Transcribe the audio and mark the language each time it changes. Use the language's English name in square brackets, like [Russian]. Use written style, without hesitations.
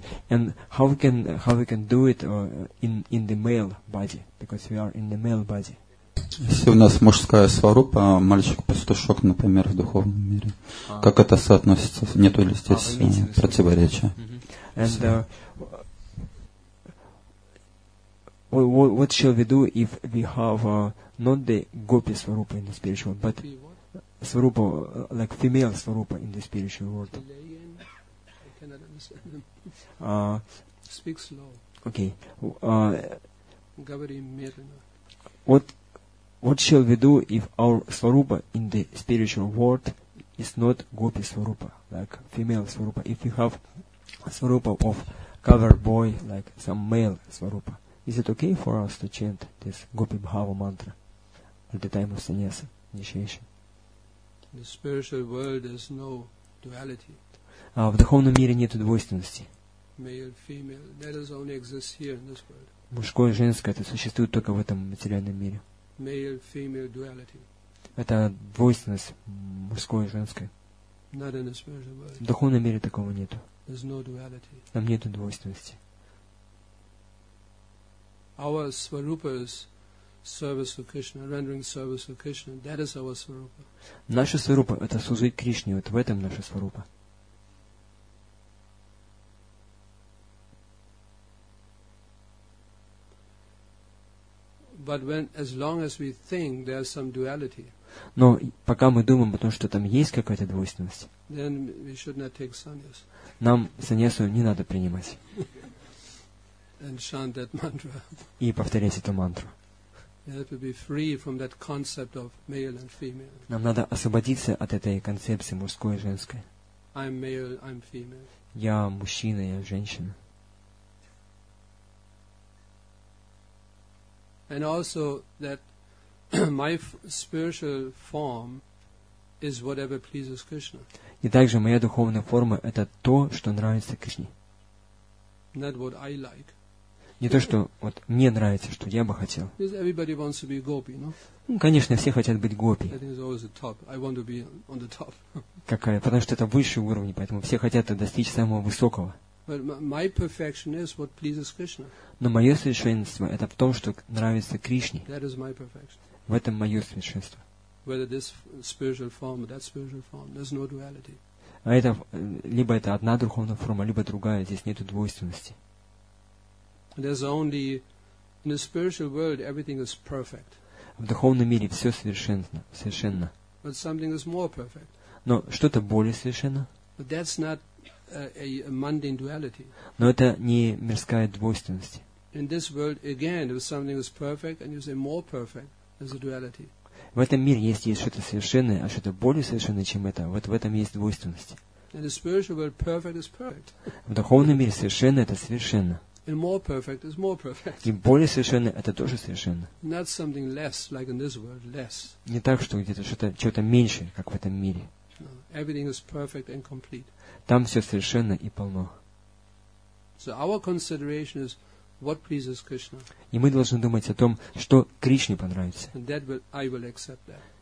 [English] And how we can do it in the male body, because we are in the male body. [Russian] Если у нас мужская сварупа, а мальчик-пастушок, например, в духовном мире, как это соотносится? Нету ли здесь противоречия? [English] And what shall we do if we have not the gopi svarupa in the spiritual world, but svarupa, like female svarupa in the spiritual world? I cannot understand them. Speak slow. Okay. [Russian] Говори медленно. [English] What shall we do if our svarupa in the spiritual world is not gopi svarupa, like female svarupa? If we have svarupa of cover boy, like some male svarupa, is it okay for us to chant this Gopi Bhava mantra at the time of sannyasa initiation? In the spiritual world, there's no duality. [Russian] В духовном мире нет двойственности. [English] Male, female, that does only exist here in this world. [Russian] Мужское, женское, это существует только в этом материальном мире. [English] Male, female duality. [Russian] Это двойственность мужское и женское. [English] Not in the spiritual world. [Russian] В духовном мире такого нету. [English] There's no duality. [Russian] Там нет двойственности. [English] Our svarupa is service for Krishna, rendering service for Krishna. That is our svarupa. [Russian] Наша сварупа – это служить Кришне. Вот в этом наша сварупа. [English] But when, as long as we think there's some duality. [Russian] Но пока мы думаем о том, что там есть какая-то двойственность. [English] Then we should not take sannyas. [Russian] Нам саньясу не надо принимать. [English] And chant that mantra. [Russian] И повторять эту мантру. Нам надо освободиться от этой концепции мужской и женской. [English] I'm male, I'm female. [Russian] Я мужчина, я женщина. [English] And also that my spiritual form is whatever pleases Krishna. [Russian] И также моя духовная форма – это то, что нравится Кришне. [English] Not what I like. [Russian] Не то, что вот мне нравится, что я бы хотел. [English] Everybody wants to be gopi, no? [Russian] Ну, конечно, все хотят быть гопи. [English] That is always the top. I want to be on the top. [Russian] Какая? Потому что это высший уровень, поэтому все хотят достичь самого высокого. [English] But my perfection is what pleases Krishna. [Russian] Но мое совершенство – это в том, что нравится Кришне. [English] That is my perfection. [Russian] В этом мое совершенство. [English] Whether this spiritual form or that spiritual form, there's no duality. [Russian] А это либо это одна духовная форма, либо другая. Здесь нету двойственности. [English] There's only in the spiritual world everything is perfect. [Russian] В духовном мире все совершенно, совершенно. [English] But something is more perfect. [Russian] Но что-то более совершенно. [English] But that's not a mundane duality. [Russian] Но это не мирская двойственность. [English] In this world again, if something is perfect and you say more perfect, there's a duality. [Russian] В этом мире есть что-то совершенное, а что-то более совершенное, чем это. Вот в этом есть двойственность. [English] In the spiritual world, perfect is perfect. [Russian] В духовном мире совершенно это совершенно. [English] And more perfect is more perfect. [Russian] И более совершенно это тоже совершенно. [English] Not something less, like in this world, less. [Russian] Не так, что где-то что-то меньше, как в этом мире. [English] No, everything is perfect and complete. [Russian] Там все совершенно и полно. [English] So our consideration is what pleases Krishna. [Russian] И мы должны думать о том, что Кришне понравится. [English] And that will, I will accept that.